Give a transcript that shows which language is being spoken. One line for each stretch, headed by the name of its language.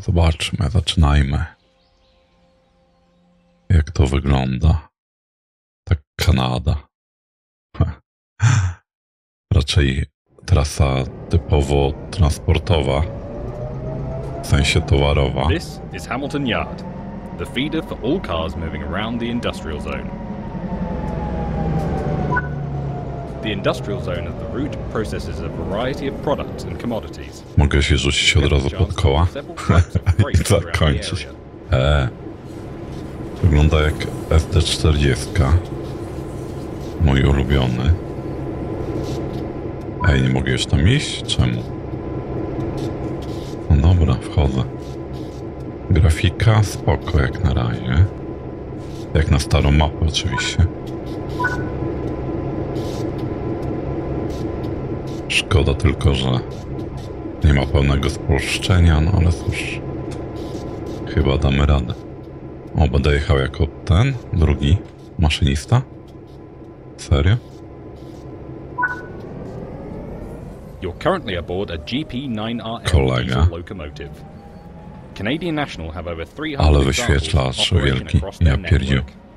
Polish: Zobaczmy, zaczynajmy. Jak to wygląda? Tak, Kanada. Raczej trasa typowo transportowa. W sensie towarowa.
English: This is Hamilton Yard. The feeder for all cars moving around the industrial zone. The industrial zone of the route processes a variety of products and commodities.
Polish: Mogę się rzucić od razu pod koła i zakończyć. Wygląda jak SD40. Mój ulubiony. Nie mogę już tam iść? Czemu? No dobra, wchodzę. Grafika spoko jak na razie. Jak na starą mapę oczywiście. Szkoda tylko, że nie ma pełnego spolszczenia, no ale cóż. Chyba damy radę. O, będę jechał jako ten, drugi maszynista? Serio?
English: You're currently aboard a GP9RM diesel locomotive. Canadian National have over 300 vehicles operating across their network.